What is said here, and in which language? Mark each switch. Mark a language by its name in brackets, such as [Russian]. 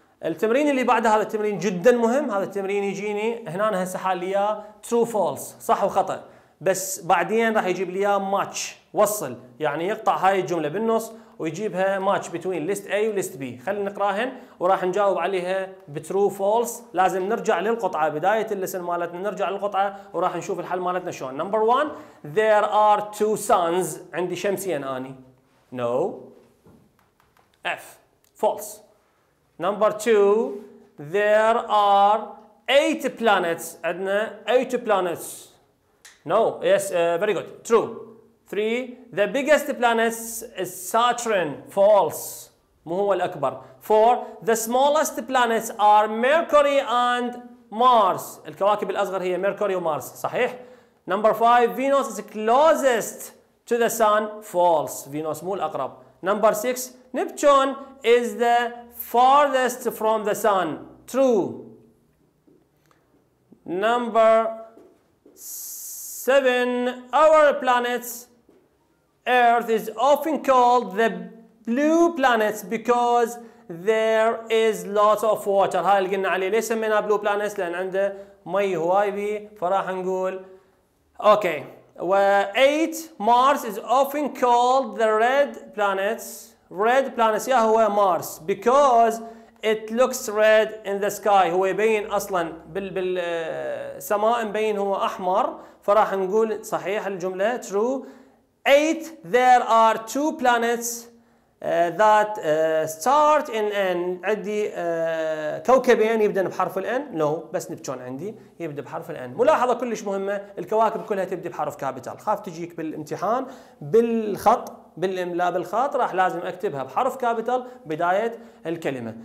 [Arabic] التمرين اللي بعده هذا التمرين جدا مهم. هذا التمرين يجيني هنا هسه حاليا [English] true false [Arabic] صح وخطأ، بس بعدين راح يجيب لي match وصل، يعني يقطع هاي الجملة بالنص ويجيبها [English] match between list A [Arabic] و [English] list B. [Arabic] خلينا نقراهن وراح نجاوب عليها بترو فولس. لازم نرجع للقطعة بداية اللسن مالتنا، نرجع للقطعة وراح نشوف الحل مالتنا شلون. [English] Number one, there are two suns. [Arabic] عندي شمسين آني. [English] No. F. False. Number two, there are eight planets. [Arabic] عندنا [English] eight planets. No. Yes. Very good. True. Three. The biggest planet is Saturn. False. [Arabic] مو هو الأكبر. [English] Four. The smallest planets are Mercury and Mars. [Arabic] الكواكب الأصغر هي Mercury ومارس. صحيح. [English] Number five. Venus is closest to the Sun. False. [Arabic] Venus مو الأقرب. [English] Number six. Neptune is the farthest from the Sun. True. Number seven, our planet Earth is often called the blue planet because there is lots of water. [Arabic] هاي اللي قلنا عليه، ليش سمينا blue planet؟ لأن عنده مي هواي بي. فراح نقول [English] okay. Eight, Mars is often called the red planet. Red planet [Arabic] يا هو [English] Mars because it looks red in the sky. [Arabic] هو يبين أصلا بالسماء مبين هو أحمر. فراح نقول صحيح الجملة [English] true. Eight, there are two planets that start in N. [Arabic] عندي كوكبين يبدأ بحرف ال N. [English] No, [Arabic] بس نبتون عندي يبدأ بحرف ال N. ملاحظة كلش مهمة، الكواكب كلها تبدأ بحرف كابيتال. خاف تجيك بالامتحان بالخط بالإملاء بالخط، راح لازم أكتبها بحرف كابيتال بداية الكلمة.